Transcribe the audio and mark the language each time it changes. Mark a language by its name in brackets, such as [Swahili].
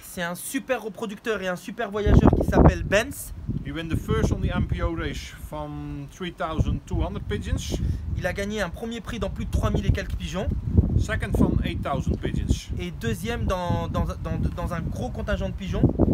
[French] C'est un super reproducteur et un super voyageur qui s'appelle Benz. [English] He won the first on the MPO race from 3,200 pigeons. [French] Il a gagné un premier prix dans plus de 3 000 et quelques pigeons. [English] Second from 8,000 pigeons. [French] Et deuxième dans un gros contingent de pigeons.